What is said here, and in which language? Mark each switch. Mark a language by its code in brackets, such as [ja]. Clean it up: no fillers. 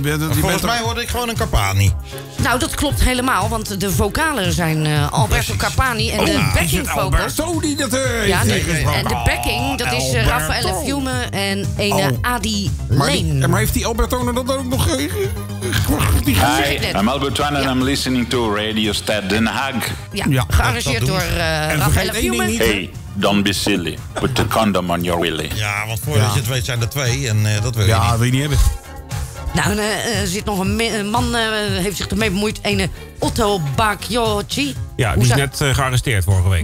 [nl] Volgens mij hoorde ik gewoon een Carpani. Nou, dat klopt helemaal, want de vocalen zijn Alberto precies. Carpani en de backing vocals. Alberto die dat heeft. Ja, en de backing, dat is Raffaele Fiume en ene Adi Leen. Maar heeft die Alberto dat ook nog [en] Hi, I'm Albert Twan and I'm listening to Radio Stad Den Haag. [nl] Ja, gearrangeerd door Raffaele Fiume. [en] Hey, don't be silly. Put the condom on your willy. [nl] Ja, want voordat je het weet zijn er twee en dat wil je niet. Ja, wil je niet hebben. Nou, er zit nog een man, heeft zich ermee bemoeid. Ene Otto Bakiochi. Ja, die is net gearresteerd vorige week.